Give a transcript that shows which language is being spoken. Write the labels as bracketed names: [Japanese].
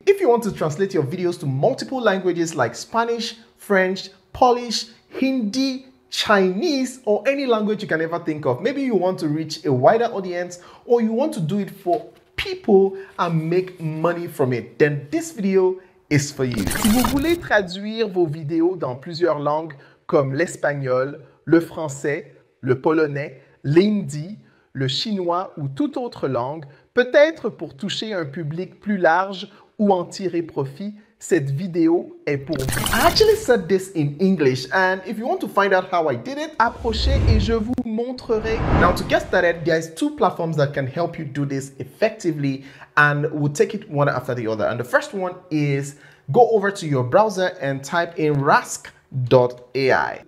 [English] you want to translate your videos to multiple languages like Spanish, French, Polish, Hindi, Chinese, or any language you can ever think of. Maybe you want to reach a wider audience, or you want to do it for people and make money from it, then this video is for you. [French] Si vous voulez traduire vos vidéos dans plusieurs langues comme l'espagnol, le français, le polonais, l'hindi, le chinois ou toute autre langue, peut-être pour toucher un public plus large ou en tirer profit, cette vidéo est pour vous. [English] I actually said this in English, and if you want to find out how I did it, [French] approchez et je vous montrerai. [English] Now to get started, there is two platforms that can help you do this effectively, and we'll take it one after the other. And the first one is, go over to your browser and type in rask.ai.